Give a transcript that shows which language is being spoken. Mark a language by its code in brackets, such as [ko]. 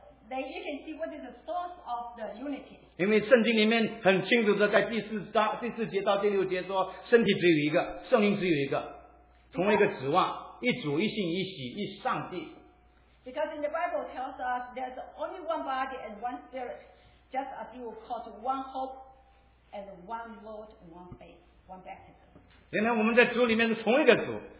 [en] Then you can see what is the source of the unity. [zh] 因为圣经里面很清楚的在第四节到第六节说，身体只有一个，圣灵只有一个，同一个指望，一主一信一喜一上帝。 [en] Because in the Bible tells us there's only one body and one spirit, just as you were called one hope and one Lord and one faith. [zh] 原来我们在主里面是同一个主。